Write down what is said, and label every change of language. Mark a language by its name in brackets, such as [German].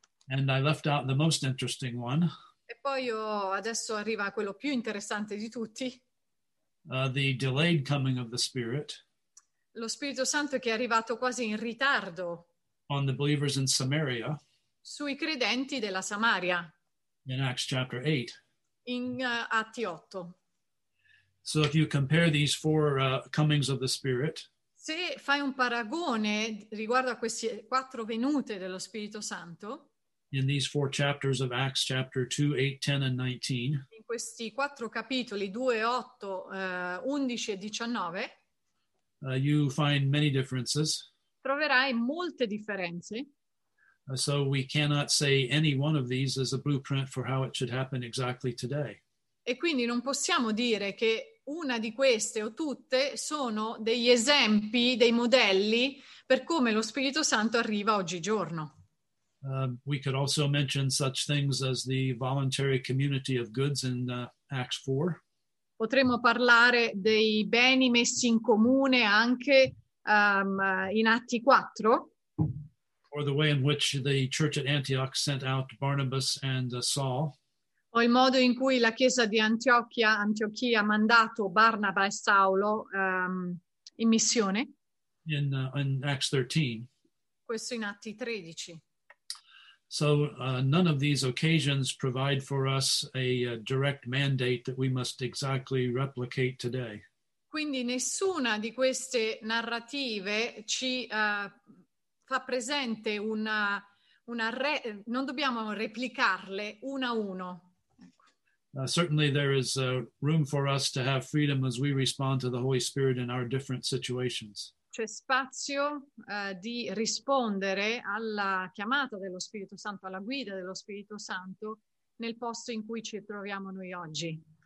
[English] And I left out the most interesting one. [Italian] E poi adesso arriva quello più interessante di tutti. [English] The delayed coming of the Spirit. [Italian] Lo Spirito Santo che è arrivato quasi in ritardo. [English] On the believers in Samaria. [Italian] Sui credenti della Samaria. [English] In Acts chapter 8. [Italian] In Atti 8. [English] So if you compare these four comings of the Spirit. [Italian] Se fai un paragone riguardo a queste quattro venute dello Spirito Santo. [English] In these four chapters of Acts, chapter 2, 8, 10, and 19. [Italian] In questi quattro capitoli, 2, 8, 11 e 19. [English] You find many differences. [Italian] Troverai molte differenze. [English] So we cannot say any one of these is a blueprint for how it should happen exactly today. [Italian] E quindi non possiamo dire che una di queste o tutte sono degli esempi, dei modelli per come lo Spirito Santo arriva oggigiorno. [English] We could also mention such things as the voluntary community of goods in Acts 4. [Italian] Potremmo parlare dei beni messi in comune anche in Atti 4. [English] Or the way in which the church at Antioch sent out Barnabas and Saul. [Italian] O o il modo in cui la Chiesa di Antiochia ha mandato Barnaba e Saulo in missione. [English] In Acts 13. [Italian] Questo in Atti 13. [English] So none of these occasions provide for us a direct mandate that we must exactly replicate today. [Italian] Quindi nessuna di queste narrative ci fa presente non dobbiamo replicarle una a uno. [English] Certainly there is room for us to have freedom as we respond to the Holy Spirit in our different situations. [Italian] C'è spazio di rispondere alla chiamata dello Spirito Santo, alla guida dello Spirito Santo nel posto in cui ci troviamo noi oggi.